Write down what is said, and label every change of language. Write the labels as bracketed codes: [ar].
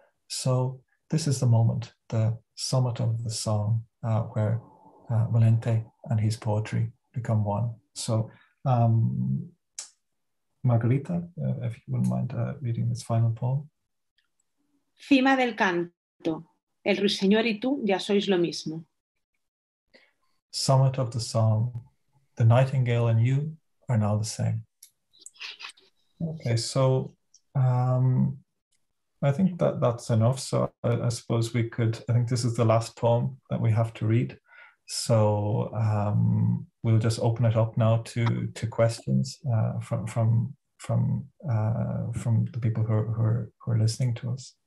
[en] So this is the moment, the summit of the song, where Valente and his poetry become one. So Margarita, if you wouldn't mind reading this final poem. [es] Cima del canto. El ruiseñor y tú ya sois lo mismo. [en] Summit of the song. The nightingale and you are now the same. Okay, so I think that's enough. So I suppose we could, I think this is the last poem that we have to read. So we'll just open it up now to questions from the people who are listening to us.